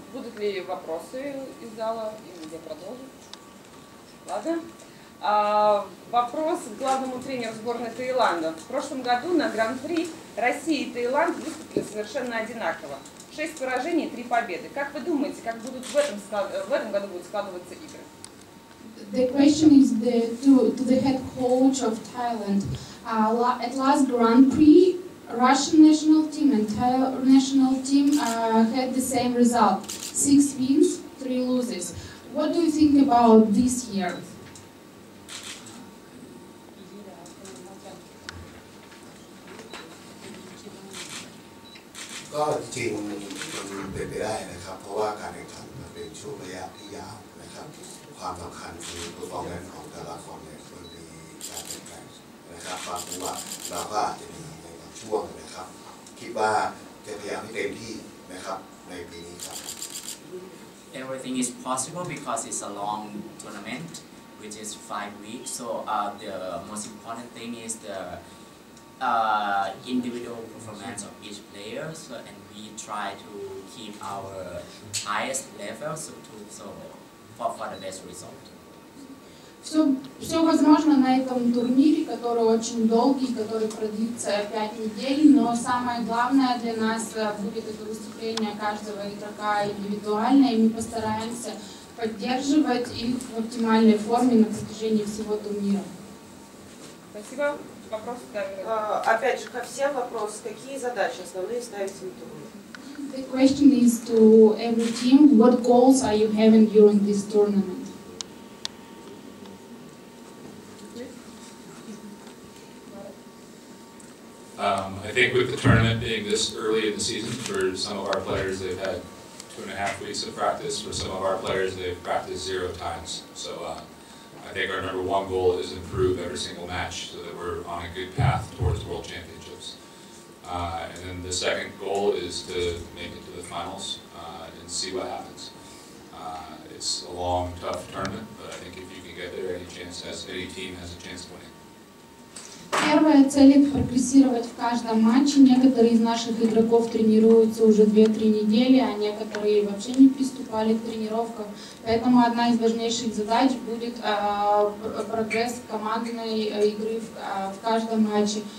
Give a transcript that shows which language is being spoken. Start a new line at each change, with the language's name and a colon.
Russian: Будут ли вопросы из зала, или я продолжу? Ладно. Вопрос к главному тренеру сборной Таиланда. В прошлом году на Гран-при Россия и Таиланд выступили совершенно одинаково. 6 поражений, 3 победы. Как вы думаете, как будут в этом году будут складываться игры?
English: The question is to the head coach of Thailand. At last Grand Prix, Russian national team and Thai national team had the same result: 6 wins, 3 losses. What do you think about this year?
Thai: ก็จริงมันเป็นไปได้นะครับเพราะว่าการแข่งขันมันเป็นช่วงระยะที่ยาวนะครับความสำคัญคือประสบการณ์ของแต่ละคนในคนดีการแข่งขันนะครับความรู้ว่าเราก็อาจจะมีในบางช่วงนะครับคิดว่าจะพยายามให้เต็มที่นะครับในปีนี้ครับ
English: Everything is possible because it's a long tournament which is 5 weeks so the most important thing is theindividual performance of each player, so, and we try to keep our highest level for the best result.
Russian: Все возможно на этом турнире, который очень долгий, который продлится 5 недель, но самое главное для нас будет это выступление каждого игрока индивидуально, и мы постараемся поддерживать их в оптимальной форме на протяжении всего турнира. Спасибо.
English: The question is to every team, what goals are you having during this tournament? I think with the tournament being this early in the season, for some of our players they've had 2.5 weeks of practice, for some of our players they've practiced 0 times. So I think our number one goal is improve every single match so that we're on a good path towards World Championships. And then the second goal is to make it to the finals and see what happens. It's a long, tough tournament, but I think if you can get there, any team has a chance of winning.
Russian: Первая цель – это прогрессировать в каждом матче. Некоторые из наших игроков тренируются уже 2-3 недели, а некоторые вообще не приступали к тренировкам. Поэтому одна из важнейших задач будет прогресс командной игры в каждом матче.